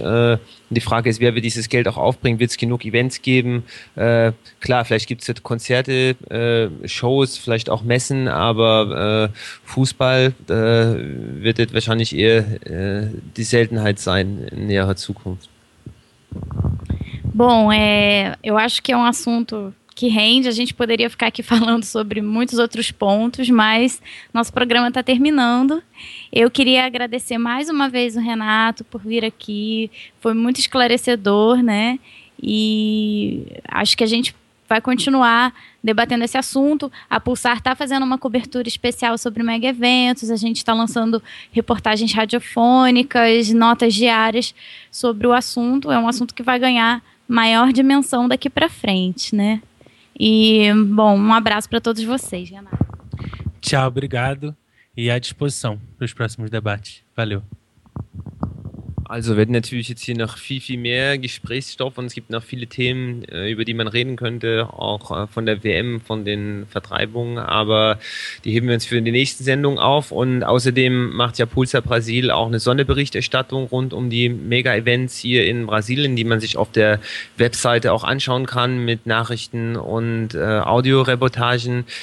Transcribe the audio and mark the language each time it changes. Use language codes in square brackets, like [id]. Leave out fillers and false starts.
[de] Und die Frage ist, wer wird dieses Geld auch aufbringen? Wird es genug Events geben? Klar, vielleicht gibt es jetzt Konzerte, Shows, vielleicht auch Messen, aber Fußball wird jetzt wahrscheinlich eher die Seltenheit sein in näherer Zukunft. [pt] Bom, eu acho que é um assunto que rende, a gente poderia ficar aqui falando sobre muitos outros pontos, mas nosso programa está terminando. Eu queria agradecer mais uma vez o Renato por vir aqui, foi muito esclarecedor, né? E acho que a gente vai continuar debatendo esse assunto. A Pulsar está fazendo uma cobertura especial sobre mega eventos, a gente está lançando reportagens radiofônicas, notas diárias sobre o assunto. É um assunto que vai ganhar maior dimensão daqui para frente, né? E, bom, um abraço para todos vocês, Renato. Tchau, obrigado. E à disposição para os próximos debates. Valeu. [de] Also wir hätten natürlich jetzt hier noch viel, viel mehr Gesprächsstoff und es gibt noch viele Themen, über die man reden könnte, auch von der WM, von den Vertreibungen, aber die heben wir uns für die nächste Sendung auf und außerdem macht ja Pulsar Brasil auch eine Sonderberichterstattung rund um die Mega-Events hier in Brasilien, die man sich auf der Webseite auch anschauen kann mit Nachrichten und Audioreportagen.